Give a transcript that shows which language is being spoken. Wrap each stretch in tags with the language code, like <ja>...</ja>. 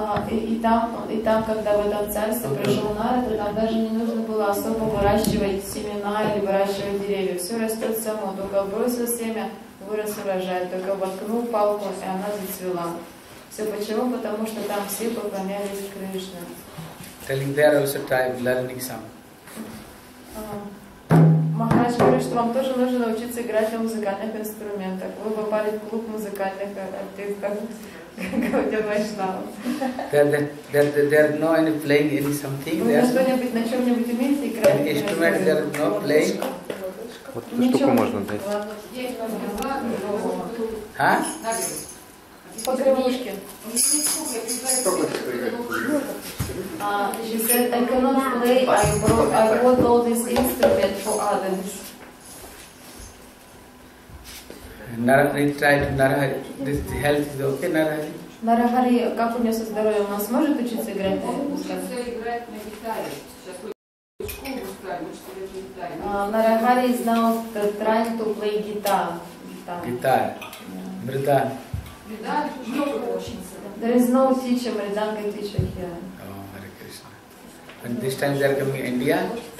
<ru>И там, когда в этом царстве пришел Нарада, там даже не нужно было особо выращивать семена или выращивать деревья. Все растет само. Только бросил семя, вырос урожай. Только воткнул палку, и она зацвела. Все почему? Потому что там все поклонялись Кришне.</ru> <en>Telling there also time learning some.</en> <ru>Махарадж говорит, что вам тоже нужно научиться играть на музыкальных инструментах. Вы попали в клуб музыкальных артистов.</ru> <en>there no any playing any something there.</en> <ru>Вы что-нибудь на чем-нибудь умеете играть?</ru> <en>Instrument there no playing.</en> <ru>Вот эту штуку можно дать. Есть на два. А? По гармошке.</ru> <en>She said, I cannot play. I brought all these instruments for others. Narahari tried. Narahari, this health is okay. Narahari.</en> <ru>Нарахари, как у него со здоровьем? Он сможет учиться играть? Он учится играть на гитаре. Сейчас</ru> <en>Нарахари is now trying to play guitar.</en> <ru>Гитар. Мридан. Мридан уже учится.</ru> <en>There is no teacher. Мридан can teach here. Oh, Hare Krishna. And this time they are coming to India?</en>